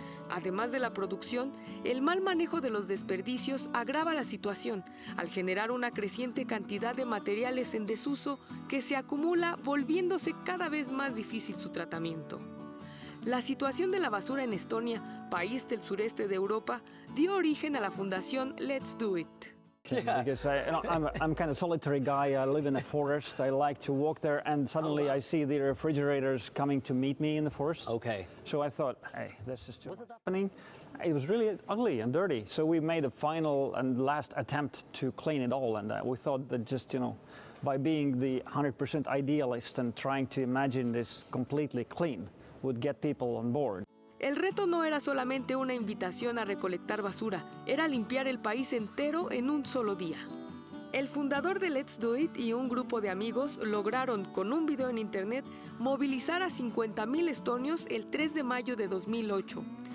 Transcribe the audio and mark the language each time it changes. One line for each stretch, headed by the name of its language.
Spanish: Además de la producción, el mal manejo de los desperdicios agrava la situación al generar una creciente cantidad de materiales en desuso que se acumula, volviéndose cada vez más difícil su tratamiento. La situación de la basura en Estonia, país del sureste de Europa, dio origen a la fundación Let's Do It.
English: Yeah. Because I'm kind of solitary guy. I live in a forest. I like to walk there, and suddenly I see the refrigerators coming to meet me in the forest. Okay. So I thought, hey, this is too happening. It was really ugly and dirty. So we made a final and last attempt to clean it all, and we thought that just, you know, by being the 100% idealist and trying to imagine this completely clean would get people on board.
Spanish: El reto no era solamente una invitación a recolectar basura, era limpiar el país entero en un solo día. El fundador de Let's Do It y un grupo de amigos lograron, con un video en internet, movilizar a 50,000 estonios el 3 de mayo de 2008.